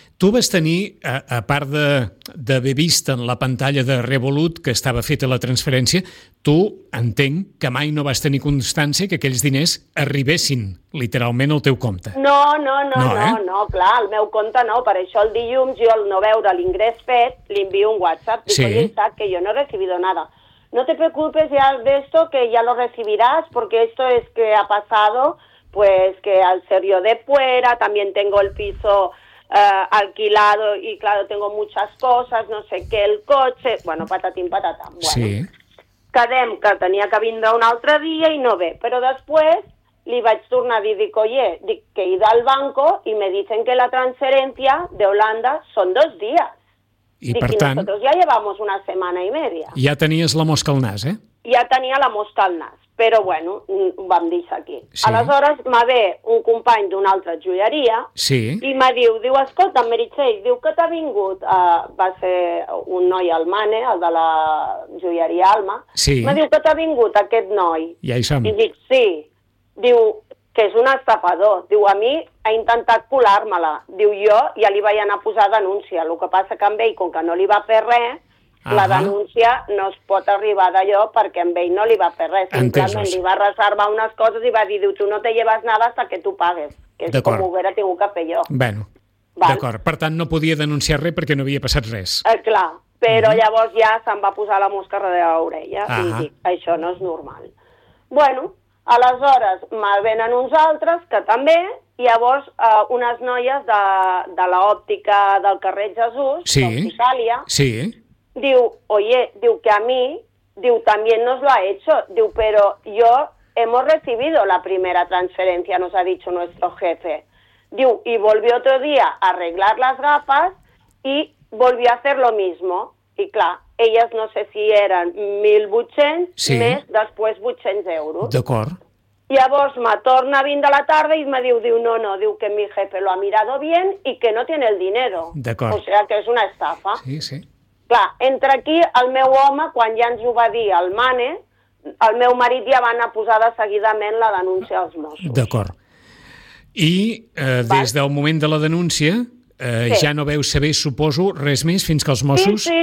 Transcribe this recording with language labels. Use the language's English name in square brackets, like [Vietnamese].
[Catalan] Tu vas tenir, a part d'haver vist en la pantalla de Revolut que estava feta la transferència, tu entenc que mai no vas tenir constància que aquells diners arribessin literalment al teu compte. No, clar, al meu compte no. Per això el dilluns jo, al no veure l'ingrés fet, li envio un WhatsApp. Dic, sí. [Spanish] Que jo no he recibido nada. No te preocupes ya de esto, que ya lo recibirás, porque esto es que ha pasado, pues que al ser yo de fuera, también tengo el piso... alquilado y claro, tengo muchas cosas, no sé qué, el coche, bueno, patatín, patata. Bueno, sí. [Catalan] Quedem, que tenia que vindre un altre dia i no ve, però després li vaig tornar a dir, dic, oye, dic, [Spanish] que he ido al banco y me dicen que la transferencia de Holanda son 2 días. [Catalan] I dic, per i tant... [Spanish] nosotros ya llevamos una semana y media. [Catalan] Ja tenies la mosca al nas, eh? Ja tenia la mosca al nas, però bueno, ho vam deixar aquí. Sí. Aleshores, m'ha ve un company d'una altra joieria i m'ha diu, escolta, Meritxell, diu que t'ha vingut, va ser un noi al Mane, el de la joieria Alma, m'ha diu que t'ha vingut aquest noi. Ja hi som. I dic, sí, diu que és un estafador, diu, a mi ha intentat colar-me-la, diu, jo ja li vaig anar a posar denúncia, el que passa que amb ell, com que no li va fer res, la denúncia no es pot arribar d'allò perquè amb ell no li va fer res. Entesos. Li va reservar unes coses i va dir, diu, [Spanish] tu no te lleves nada hasta que tu pagues. [Catalan] Que és d'acord. Com ho haguera tingut que fer jo. Bueno, val? D'acord. Per tant, no podia denunciar res perquè no havia passat res. Clar, però llavors ja se'm va posar la mosca darrere l'orella i dic, això no és normal. Bueno, aleshores, mal venen uns altres, que també, llavors, unes noies de l'òptica del carrer Jesús, d'Itàlia, [Spanish] diu, oye, diu que a mi, diu, también nos lo ha hecho, diu, pero yo hemos recibido la primera transferencia, nos ha dicho nuestro jefe, diu, y volvió otro día a arreglar las gafas y volvió a hacer lo mismo, y claro, ellas no sé si eran 1.800 més después 800 euros. [Catalan] D'acord. Llavors me torna a vindre a la tarda i me diu, no, diu [Spanish] que mi jefe lo ha mirado bien y que no tiene el dinero. [Catalan] D'acord. [Spanish] O sea que es una estafa. [Catalan] Sí. Clar, entre aquí el meu home, quan ja ens ho va dir el Mane, el meu marit ja va anar a posar de seguidament la denúncia als Mossos. D'acord. I des del moment de la denúncia, Sí. Ja no veu saber, suposo, res més fins que els Mossos...